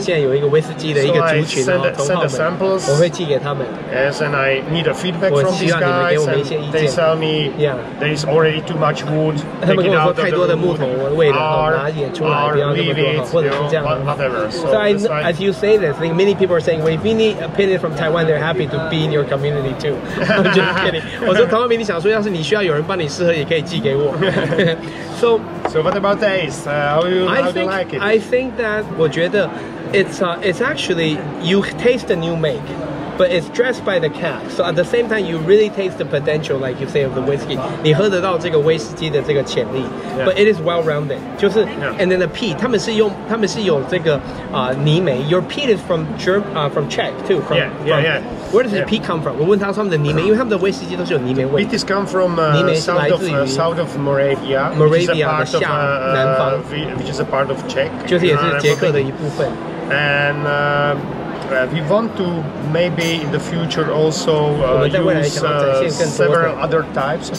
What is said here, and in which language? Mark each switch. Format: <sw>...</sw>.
<en>So I send the samples, yes, and I need a feedback from these guys, and they tell me there is already too much wood, take it out of the wood, or leave it, whatever. As you say this, I think many people are saying, well, if you need opinion from Taiwan, they're happy to be in your community too. I'm just kidding.</en> <zh>我说唐浩明，你想说，要是你需要有人帮你试喝，也可以寄给我。</zh> <en>So what about the ace? How do you like it? I think that</en> <zh>我觉得</zh> <en>it's actually you taste the new make, but it's dressed by the cap. So at the same time, you really taste the potential, like you say, of the whiskey.</en> <zh>你喝得到这个威士忌的这个潜力。</zh> <en>But it is well rounded.</en> <zh>就是</zh> <en>and then the peat,</en> <zh>他们是有这个泥煤。</zh> <en>Your peat is from Czech too. From Where does the peat come from?</en> <zh>我问他说他们的泥煤，因为他们的威士忌都是有泥煤味。</zh> <en>Peat is come from south of Moravia.</en> <zh>Moravia 的下南方</zh> <en>which is a part of Czech.</en> <zh>就是也是捷克的一部分。</zh> <en>And we want to maybe in the future also use several other types of</en>